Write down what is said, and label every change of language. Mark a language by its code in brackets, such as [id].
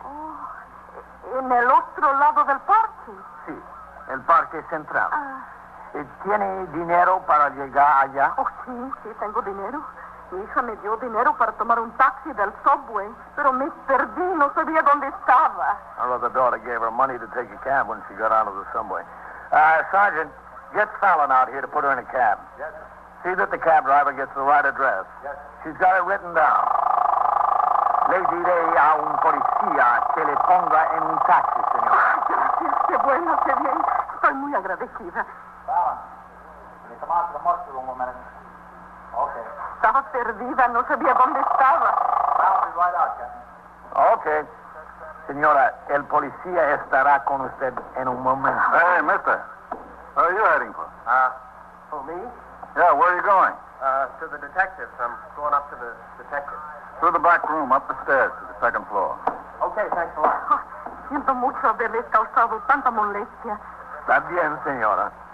[es] Oh, en el otro lado del parque? Sí, el parque central. ¿Tiene dinero para llegar allá? Oh, sí, sí, tengo dinero. Mi hija me dio dinero para tomar un taxi del subway, pero me perdí, no sabía dónde estaba. [en] Her other daughter gave her money to take a cab when she got out of the subway. Sergeant, get Fallon out here to put her in a cab. Yes, sir. See that the cab driver gets the right address. Yes, sir. She's got it written down. [es] Le diré a un policía que le ponga en un taxi, señor. Ah, gracias, qué bueno, qué bien. Estoy muy agradecida. [en] Fallon, can you come out to the muster room a minute? [es] Estaba perdida, no sabía dónde estaba. [en] Right out, okay. [es] Señora, el policía estará con usted en un momento. [en] Hey, mister. Where are you heading for? For me? Yeah, where are you going? To the detectives. I'm going up to the detectives. Through the back room, up the stairs to the second floor. Okay, thanks a lot. [es] Siento mucho haberle causado tanta molestia. Está bien, señora.